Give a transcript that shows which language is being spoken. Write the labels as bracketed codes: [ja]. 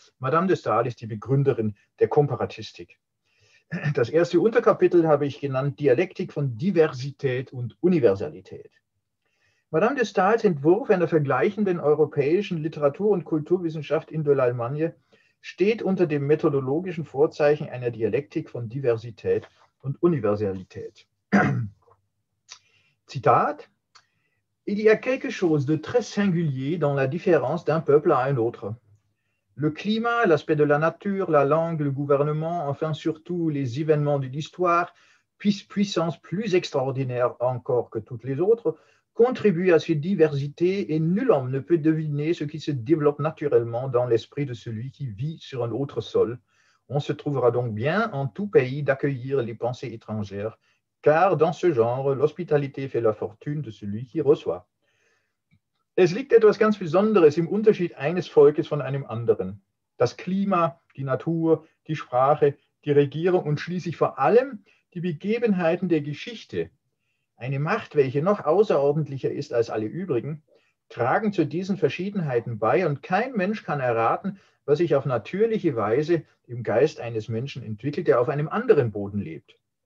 [de] Madame de Stael ist die Begründerin der Komparatistik. Das erste Unterkapitel habe ich genannt Dialektik von Diversität und Universalität. Madame de Stael's Entwurf einer vergleichenden europäischen Literatur- und Kulturwissenschaft in de l'Allemagne steht unter dem methodologischen Vorzeichen einer Dialektik von Diversität und Universalität. [fr] Zitat: Il y a quelque chose de très singulier dans la différence d'un peuple à un autre. Le climat, l'aspect de la nature, la langue, le gouvernement, enfin surtout les événements de l'histoire, puissance plus extraordinaire encore que toutes les autres, contribuent à cette diversité et nul homme ne peut deviner ce qui se développe naturellement dans l'esprit de celui qui vit sur un autre sol. On se trouvera donc bien en tout pays d'accueillir les pensées étrangères, car dans ce genre, l'hospitalité fait la fortune de celui qui reçoit. [de] Es liegt etwas ganz Besonderes im Unterschied eines Volkes von einem anderen. Das Klima, die Natur, die Sprache, die Regierung und schließlich vor allem die Begebenheiten der Geschichte, eine Macht, welche noch außerordentlicher ist als alle übrigen, tragen zu diesen Verschiedenheiten bei und kein Mensch kann erraten, was sich auf natürliche Weise im Geist eines Menschen entwickelt, der auf einem anderen Boden lebt.